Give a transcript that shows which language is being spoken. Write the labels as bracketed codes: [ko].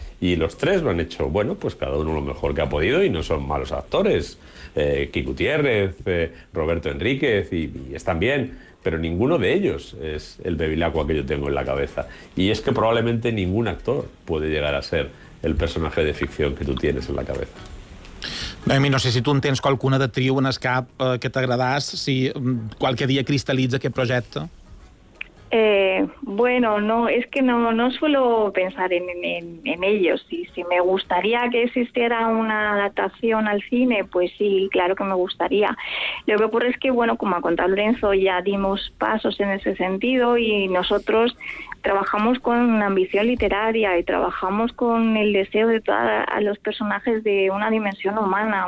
[es] Y los 3 lo han hecho, bueno, pues cada uno lo mejor que ha podido, y no son malos actores. Kiko Gutiérrez, Roberto Enríquez, y están bien, pero ninguno de ellos es el Bevilacqua que yo tengo en la cabeza. Y es que probablemente ningún actor puede llegar a ser el personaje de ficción que tú tienes en la cabeza. [ca] A mi no sé si tu en tens qualcuna de triu en el cap que t'agradàs, si qualque dia cristal·litza aquest projecte. [es] Bueno, no, es que no suelo pensar en ellos. Y si me gustaría que existiera una adaptación al cine, pues sí, claro que me gustaría. Lo que ocurre es que, bueno, como ha contado Lorenzo, ya dimos pasos en ese sentido y nosotros trabajamos con una ambición literaria y trabajamos con el deseo de dar a los personajes de una dimensión humana.